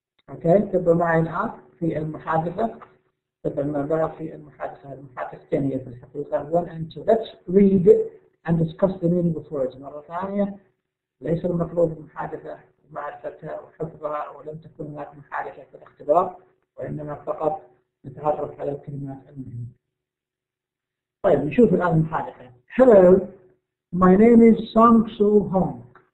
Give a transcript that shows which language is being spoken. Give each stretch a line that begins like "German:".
Arabic: اوكي، تبقى معي الآن في المحادثة، تبقى مع بعض في المحادثة، المحادثة الثانية في الحقيقة
English: 1 and 2. Let's read and discuss the meaning of words.
Arabic: مرة ثانية، ليس المطلوب المحادثة معرفتها وحفظها، ولم تكن هناك محادثة في الاختبار، وإنما فقط نتعرف على الكلمات المهمة. طيب نشوف الآن المحادثة.
English: Hello, my name is Song Soo Hong.